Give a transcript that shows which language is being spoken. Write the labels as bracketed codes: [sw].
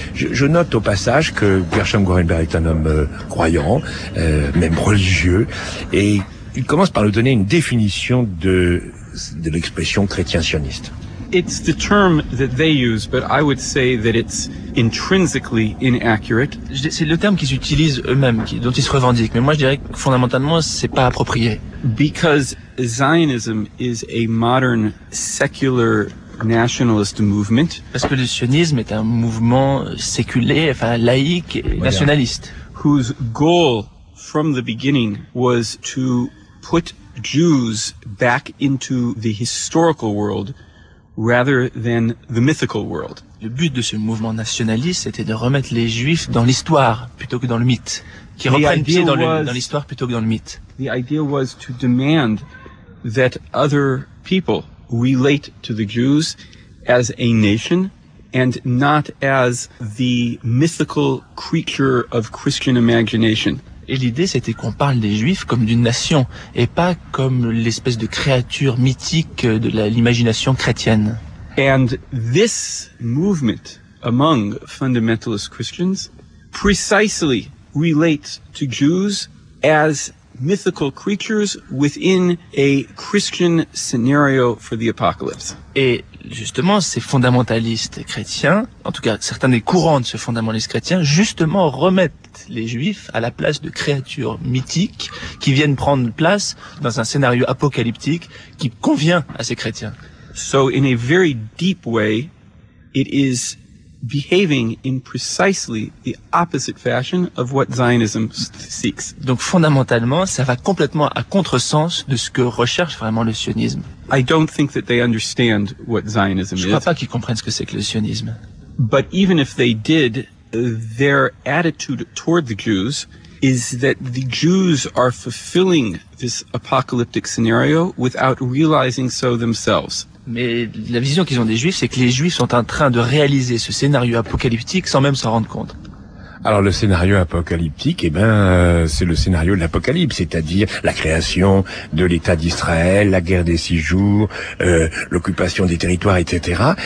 [fr] Je note au passage que Gershom Gorenberg est un homme croyant, même religieux, et il commence par nous donner une définition de l'expression chrétien sioniste. [en] It's the term that they use, but I would say that it's intrinsically inaccurate. [fr] C'est le terme qu'ils utilisent eux-mêmes, dont ils se revendiquent. Mais moi, je dirais que fondamentalement, c'est pas approprié. [en] Because Zionism is a modern secular nationalist movement. [fr] Parce que le sionisme est un mouvement séculaire, enfin laïque et nationaliste. [en] Whose goal from the beginning was to put Jews back into the historical world rather than the mythical world. [fr] Le but de ce mouvement nationaliste était de remettre les Juifs dans l'histoire plutôt que dans le mythe, qui reprennent pied dans l'histoire plutôt que dans le mythe. [en] The idea was to demand that other people relate to the Jews as a nation and not as the mythical creature of Christian imagination. [fr] Et l'idée, c'était qu'on parle des Juifs comme d'une nation, et pas comme l'espèce de créature mythique de l'imagination chrétienne. [en] And this movement among fundamentalist Christians precisely relates to Jews as mythical creatures within a Christian scenario for the apocalypse. [fr] Et justement, ces fondamentalistes chrétiens, en tout cas certains des courants de ce fondamentalisme chrétien, justement remettent les Juifs à la place de créatures mythiques qui viennent prendre place dans un scénario apocalyptique qui convient à ces chrétiens. [en] So in a very deep way, it is behaving in precisely the opposite fashion of what Zionism seeks. [fr] Donc fondamentalement, ça va complètement à contresens de ce que recherche vraiment le sionisme. [en] I don't think that they understand what Zionism is. [fr] Je crois pas qu'ils comprennent ce que c'est que le sionisme. [en] But even if they did, their attitude toward the Jews is that the Jews are fulfilling this apocalyptic scenario without realizing so themselves. [fr] Mais la vision qu'ils ont des Juifs, c'est que les Juifs sont en train de réaliser ce scénario apocalyptique sans même s'en rendre compte. Alors le scénario apocalyptique, c'est le scénario de l'Apocalypse, c'est-à-dire la création de l'État d'Israël, la guerre des six jours, l'occupation des territoires, etc.